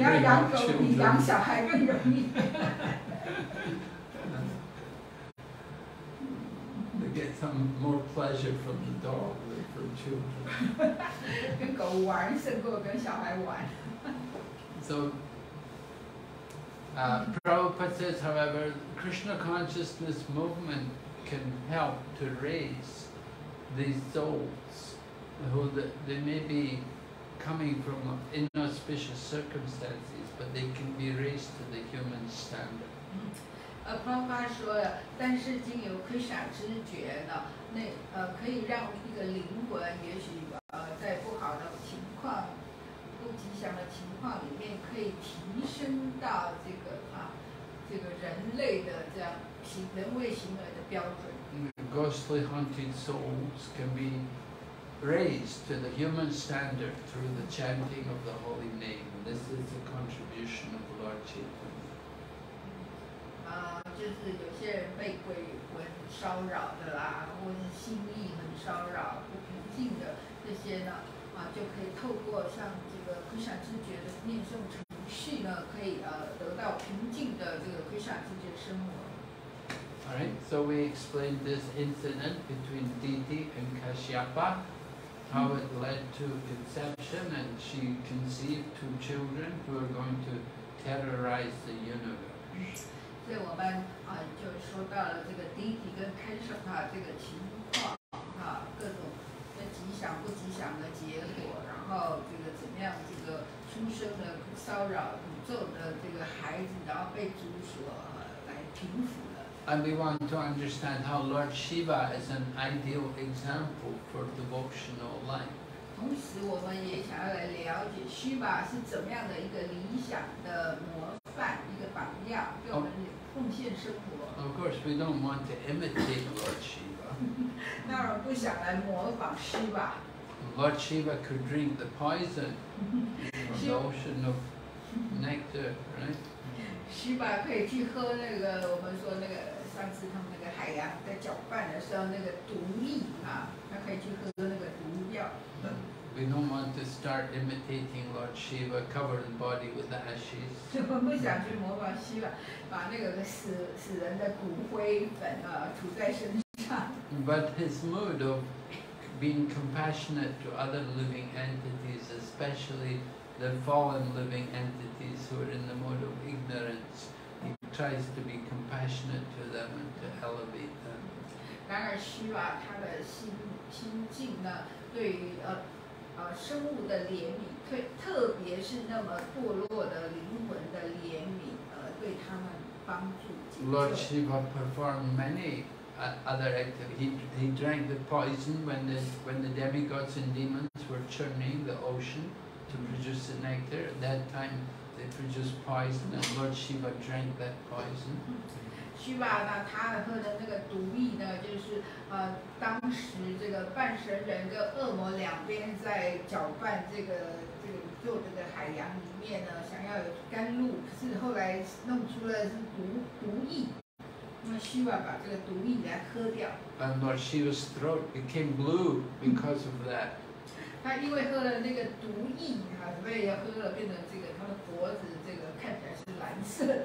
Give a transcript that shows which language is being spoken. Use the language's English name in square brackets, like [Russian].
[Chinese] 你要养狗比养小孩更容易。 [English] They get some more pleasure from the dog than from children. [Chinese] 跟狗玩胜过跟小孩玩。 [English] So. Prabhupada says, however, Krishna consciousness movement can help to raise these souls who they may be coming from inauspicious circumstances, but they can be raised to the human standard. [Chinese] Prabhupada 说，但是经由 Krishna 知觉呢，那可以让一个灵魂，也许在不好的情况。不吉祥的情况里面可以提升到这个这个人类的这样行人为行为的标准。 [English] Ghostly haunted souls can be raised to the human standard through the chanting of the holy name. This is a contribution of Lord Chaitanya. [Chinese] 就是有些人被鬼魂骚扰的啦，或是心意很骚扰不平静的这些呢，就可以透过像这个 Krishna 知觉的念诵程序呢，可以得到平静的这个 Krishna 知觉生活。 [English] All right, so we explained this incident between Diti and Kashyapa, how it led to conception, and she conceived two children who are going to terrorize the universe. [Chinese] 所以我们就说到了这个 Diti 跟 Kashyapa 这个情况各种。吉祥不吉祥的结果，然后这个怎么样？这个出生的骚扰、诅咒的这个孩子，然后被主所来平复了。 [English] And we want to understand how Lord Shiva is an ideal example for devotional life. [Chinese] 同时，我们也想要来了解 Shiva 是怎么样的一个理想的模范、一个榜样，给我们奉献生活。 [English] Of course, we don't want to imitate Lord Shiva. [Chinese] 当然不想来模仿 Shiva. [English] Lord Shiva could drink the poison from the ocean of nectar, right? [Chinese] Shiva 可以去喝那个我们说那个上次他们那个海洋在搅拌的时候那个毒液他可以去喝那个毒药。 [English] We don't want to start imitating Lord Shiva, cover the body with the ashes. [Chinese] 我不想去模仿 Shiva, 把那个死人的骨灰粉涂在身上。 [English] But his mood of being compassionate to other living entities, especially the fallen living entities who are in the mood of ignorance, he tries to be compassionate to them and to elevate them. [Chinese] 然而，希瓦他的心境呢，对于生物的怜悯，特别是那么堕落的灵魂的怜悯，对他们帮助。 [English] Lord Shiva performed many. Other activity. He drank the poison when the demigods and demons were churning the ocean to produce the nectar. At that time, they produced poison, and Lord Shiva drank that poison. [Chinese] Shiva 呢，他喝的那个毒液呢，就是当时这个半神人跟恶魔两边在搅拌这个宇宙这个海洋里面呢，想要有甘露，可是后来弄出了是毒液。 [English] And Lord Shiva's throat became blue because of that. [Chinese] 他因为喝了那个毒液所以喝了变成这个他的脖子这个看起来是蓝色的。